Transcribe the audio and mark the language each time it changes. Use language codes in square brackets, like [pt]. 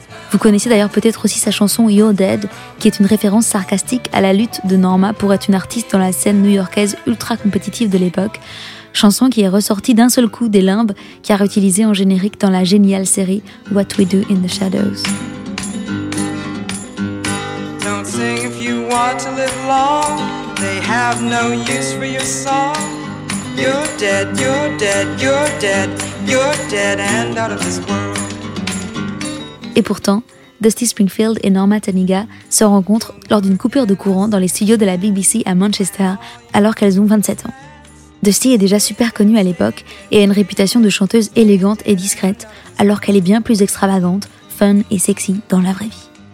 [fr] Vous connaissez d'ailleurs peut-être aussi sa chanson You're Dead, qui est une référence sarcastique à la lutte de Norma pour être une artiste dans la scène new-yorkaise ultra compétitive de l'époque, chanson qui est ressortie d'un seul coup des limbes, car utilisée en générique dans la géniale série What We Do in the Shadows. [en] Don't sing if you want to live long. They have no use for your song. You're dead, you're dead, you're dead, you're dead and out of this world. [fr] Et pourtant, Dusty Springfield et Norma Taniga se rencontrent lors d'une coupure de courant dans les studios de la BBC à Manchester, alors qu'elles ont 27 ans. Dusty est déjà super connue à l'époque et a une réputation de chanteuse élégante et discrète, alors qu'elle est bien plus extravagante, fun et sexy dans la vraie vie.